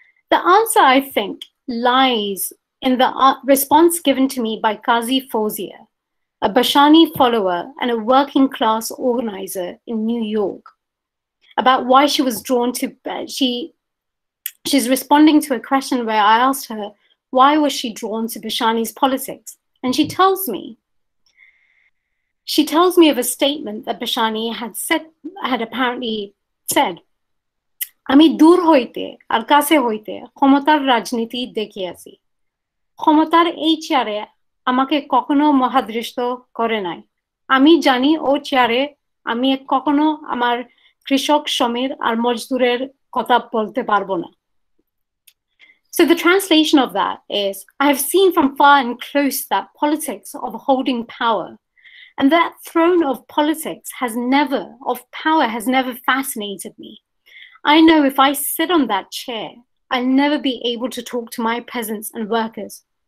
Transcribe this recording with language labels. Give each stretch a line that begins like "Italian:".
English: The answer, I think, lies in the response given to me by Qazi Fawzia, a Bhashani follower and a working class organizer in New York, about why she was drawn to, she's responding to a question where I asked her, why was she drawn to Bhashani's politics? And she tells me of a statement that Bhashani had apparently said,
Bangla: আমি দূর হইতে আর কাছে হইতে ক্ষমতার রাজনীতি দেখিয়াছি। ক্ষমতার এই চেয়ারে আমাকে কখনো মহাদৃষ্ট করে নাই। আমি জানি ও চেয়ারে আমি কখনো আমার কৃষক শ্রমিক আর মজদুরের কথা বলতে পারবো না।
English: So the translation of that is, I have seen from far and close that politics of holding power, and that throne of politics has never, of power has never fascinated me. I know if I sit on that chair, I'll never be able to talk to my peasants and workers.